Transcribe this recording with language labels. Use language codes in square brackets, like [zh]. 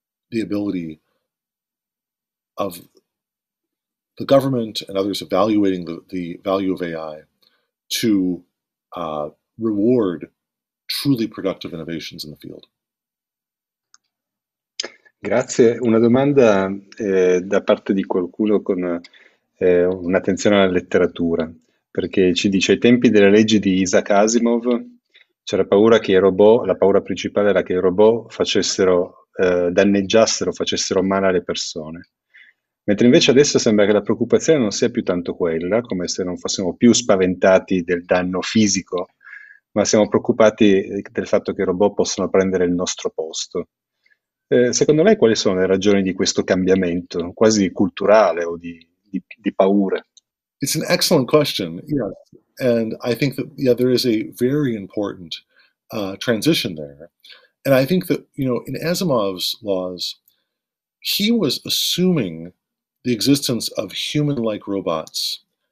[en] the ability of the government and others evaluating the value of AI to reward truly productive innovations in the field. [it] Grazie. Una domanda da parte di qualcuno con un'attenzione alla letteratura, perché ci dice: ai tempi delle leggi di Isaac Asimov c'era paura che i robot, la paura principale era che i robot facessero, danneggiassero, facessero male alle persone. Mentre invece adesso sembra che la preoccupazione non sia più tanto quella, come se non fossimo più spaventati del danno fisico, ma siamo preoccupati del fatto che i robot possano prendere il nostro posto. Secondo lei, quali sono le ragioni di questo cambiamento, quasi culturale o di paure? [en] It's an excellent question. And I think that, there is a very important transition there. And I think that, in Asimov's laws, he was assuming the existence of human-like robots.